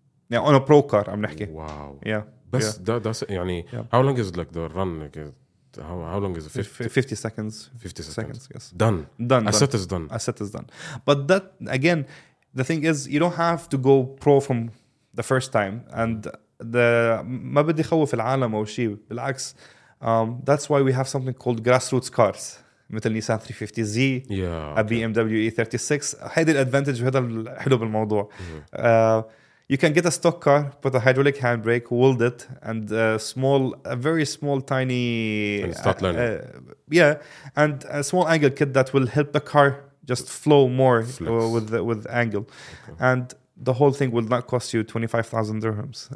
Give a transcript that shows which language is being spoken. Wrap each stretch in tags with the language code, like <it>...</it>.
<en>Yeah, on a pro car, I'm talking. Wow. Yeah. How long is like the run? Like, how long is it? 50 seconds. 50 seconds. Yes. Done. A set is done. But that, again... The thing is, you don't have to go pro from the first time. And the</en> <ar>ما بدي خوف العالم أو شيء.</ar> <en>بالعكس, that's why we have something called grassroots cars.</en> <ar>مثل Nissan 350Z, BMW E36. هيدي الادفانتج وهذا الحلو بالموضوع.</ar> <en>You can get a stock car, put a hydraulic handbrake, weld it, and a very small, tiny... And start learning. And a small angle kit that will help the car just flow more with angle. Okay. And the whole thing will not cost you 25,000 dirhams.</en>